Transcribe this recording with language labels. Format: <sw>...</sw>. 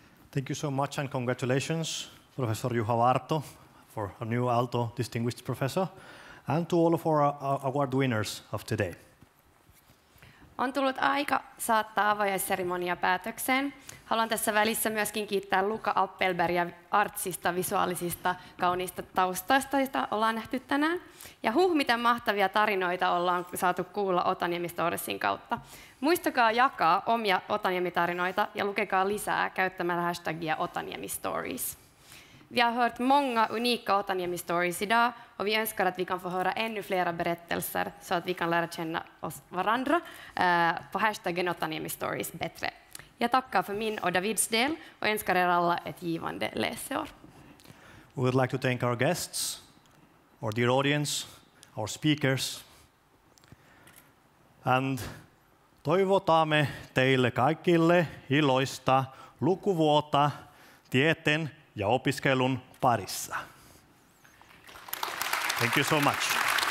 <en>Thank you so much and congratulations, Professor Juha Aarto, for a new Aalto Distinguished Professor, and to all of our award winners of today.</en> <fi>On tullut aika saattaa avajaisseremonia päätökseen. Haluan tässä välissä myöskin kiittää Luca Appelbergia artsista, visuaalisista, kauniista taustoista, joista ollaan nähty tänään. Ja huh, miten mahtavia tarinoita ollaan saatu kuulla Otaniemi Storiesin kautta. Muistakaa jakaa omia Otaniemi-tarinoita ja lukekaa lisää käyttämällä hashtagia Otaniemi Stories.</fi> <sv>Vi har hört många unika Otaniemi stories idag och vi önskar att vi kan få höra ännu fler berättelser så att vi kan lära känna oss varandra på hashtaggen Otaniemi stories bättre. Jag tackar för min och Davids del och önskar er alla ett givande läsår.</sv> <en>We would like to thank our guests, our dear audience, our speakers.</en> <fi>And toivotamme teille kaikille iloista lukuvuotta tieteen ja opiskelun parissa.</fi> <en>Thank you so much.</en>